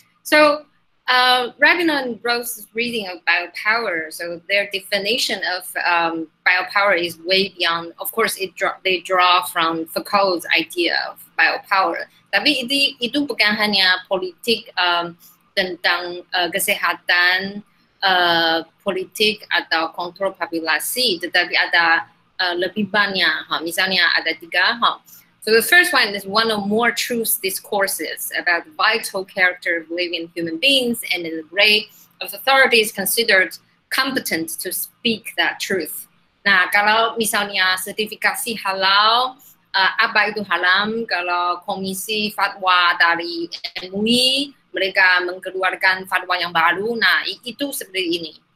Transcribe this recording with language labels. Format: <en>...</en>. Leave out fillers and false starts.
<en>So, Rabin and Rose's reading of biopower, so their definition of biopower is way beyond, of course, they draw from Foucault's idea of biopower.</en> <id>Tapi itu bukan hanya politik tentang kesehatan, politik atau kontrol populasi, tetapi ada lebih banyak, misalnya ada tiga.</id> <en>So the first one is one or more truth discourses about the vital character of living human beings and the array of authorities considered competent to speak that truth.</en> <id>Nah, kalau misalnya sertifikasi halal, apa itu halal, kalau komisi fatwa dari MUI, mereka mengeluarkan fatwa yang baru, nah itu seperti ini.</id>